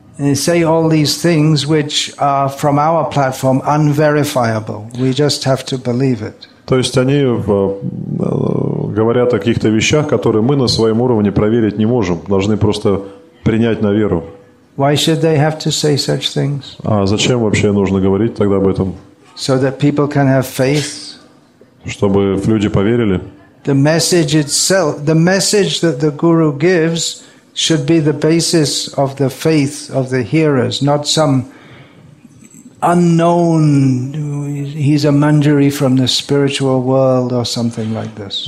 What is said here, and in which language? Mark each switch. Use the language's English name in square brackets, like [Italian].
[English] They say all these things which are from our platform unverifiable. We just have to believe it. [Russian] То есть они говорят о каких-то вещах, которые мы на своем уровне проверить не можем. Должны просто принять на веру. [English] Why should they have to say such things? [Russian] А зачем вообще нужно говорить тогда об этом? [English] So that people can have faith. [Russian] Чтобы люди поверили. [English] The message itself, the message that the guru gives should be the basis of the faith of the hearers, not some unknown, he's a manjari from the spiritual world or something like this.